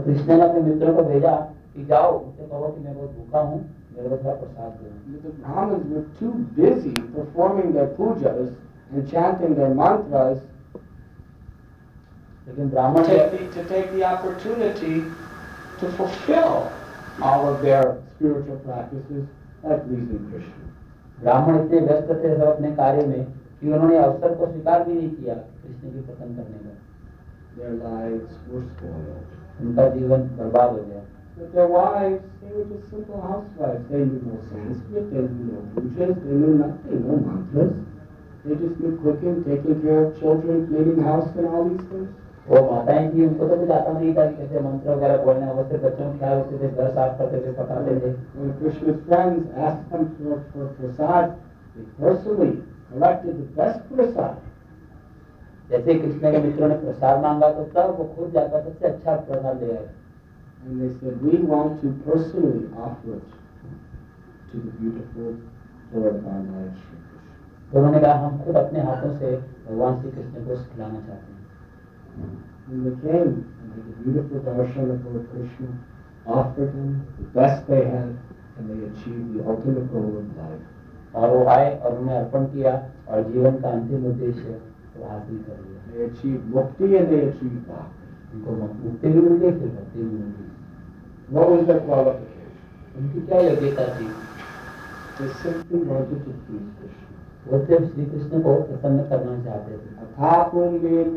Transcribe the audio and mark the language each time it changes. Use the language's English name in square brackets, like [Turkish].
[Hindi] कृष्ण ने अपने मित्रों को भेजा कि जाओ मुझसे कहो कि मैं बहुत भूखा हूँ, मेरे को थोड़ा प्रसाद दो। [English] The Brahmins were too busy performing their pujas and chanting their mantras. [Hindi] लेकिन ब्राह्मण [English] to take the opportunity to fulfill all of their spiritual practices at pleasing Krishna. [Hindi] ब्राह्मण इतने व्यस्त थे सब अपने कार्य में कि उन्होंने अवसर को स्वीकार भी नहीं किया कृष्ण की पसंद करने का। [English] Their lives were spoiled. [Hindi] उनका जीवन बर्बाद हो गया। [English] But their wives, they were just simple housewives. They knew no Sanskrit, they knew no pujas, they knew nothing, no mantras. They just knew cooking, taking care of children, cleaning house and all these things. [Hindi] वो माताएं थी उनको तो कुछ आता नहीं था कि कैसे मंत्र वगैरह बोलने अवश्य बच्चों के ख्याल रखते थे घर साफ करते थे पकाते थे। [English] When Krishna's friends asked them for prasad, they personally collected the best prasad. [Hindi] जैसे कृष्ण के मित्रों ने प्रसाद मांगा तो सब वो खुद जाकर सबसे अच्छा प्रसाद ले आए। [English] And they said, we want to personally offer it to the beautiful Lord Balaram Shri Krishna. [Hindi] तो उन्होंने कहा हम खुद अपने हाथों से भगवान श्री कृष्ण को खिलाना चाहते हैं। [English] And they came and made a beautiful darshan of Lord Krishna, offered him the best they had, and they achieved the ultimate goal of life. [Hindi] और वो आए और उन्हें अर्पण किया और जीवन का अंतिम उद्देश्य प्राप्त कर लिया। [English] They achieved mukti and they achieved bhakti. [Hindi] उनको मुक्ति भी मिली फिर भक्ति भी मिली। [English] What was their qualification? [Hindi] उनकी क्या योग्यता थी? [English] They simply wanted to please Krishna. [Hindi] वो सिर्फ श्री कृष्ण को प्रसन्न करना चाहते थे।